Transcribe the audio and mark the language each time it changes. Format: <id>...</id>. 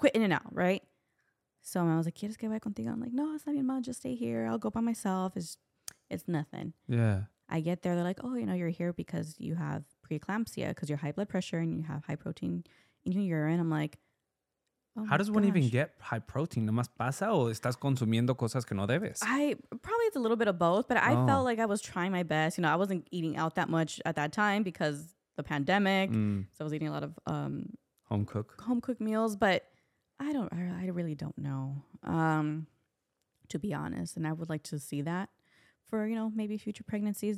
<en>Quit in and out, right? So I was like,</en> <es>¿quieres que vaya contigo?</es> <en>I'm like,</en> <es>no, está bien, mal,</es> <en>just stay here. I'll go by myself. It's nothing. Yeah. I get there. They're like, oh, you know, you're here because you have preeclampsia because you're high blood pressure and you have high protein in your urine. I'm like, oh, how does one even get high protein?</en> <es>¿No más pasa o estás consumiendo cosas que no debes?</es> <en>Probably it's a little bit of both, but I felt like I was trying my best. You know, I wasn't eating out that much at that time because the pandemic. Mm. So I was eating a lot of home cooked meals, but I really don't know, to be honest. And I would like to see that for, you know, maybe future pregnancies.</en>